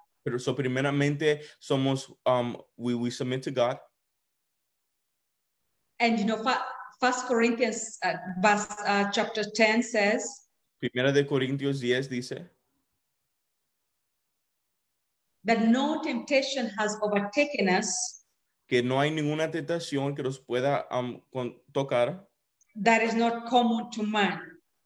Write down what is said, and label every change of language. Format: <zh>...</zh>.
<es>Pero so primeramente somos,</es> <en>we submit to God. And you know, 1 Corinthians chapter 10 says,</en> <es>Primera de Corintios 10 dice,</es> <en>that no temptation has overtaken us.</en> <es>Que no hay ninguna tentación que nos pueda tocar.</es> <en>That is not common to man.</en>